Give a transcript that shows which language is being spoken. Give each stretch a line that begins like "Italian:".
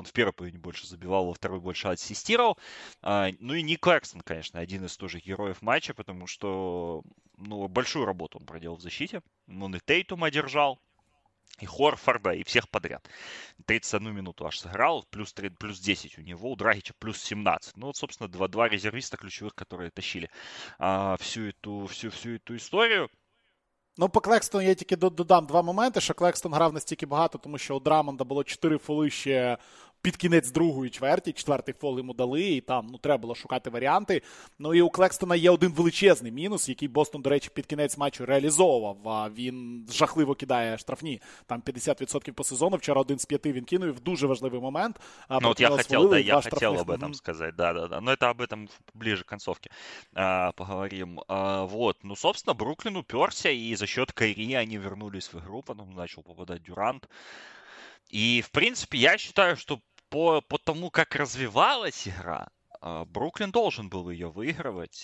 Russian: Он в первой половине больше забивал, во второй больше ассистировал. Ну и Ник Клэкстон, конечно, один из тоже героев матча, потому что, ну, большую работу он проделал в защите. Он и Тейтум одержал, и Хорфорда, и всех подряд. 31 минуту аж сыграл, плюс 10 у него, у Драгича плюс 17. Ну, вот, собственно, два резервиста ключевых, которые тащили всю эту историю.
Ukrainian: Ну, по Клекстону я тільки додам два моменти, що Клекстон грав настільки багато, тому що у Драмонда було 4 фоли ще під кінець другої чверті, четвертий фол йому дали, і там, ну, треба було шукати варіанти. Ну, і у Клекстона є один величезний мінус, який Бостон, до речі, під кінець матчу реалізовував. Він жахливо кидає штрафні, там 50% по сезону, вчора один з 5 він кинув, дуже важливий момент. Ну, от я хотів,
Russian: да, я хотів об этом сказати, да-да-да, ну, это об этом ближе к концовке поговорим. Вот, ну, собственно,
Ukrainian: Бруклін уперся, і
Russian: за счет Кайрі они вернулись в игру, потом начал попадать Дюрант. И, в принципе, я считаю, что по тому, как развивалась игра, Бруклин должен был ее выигрывать.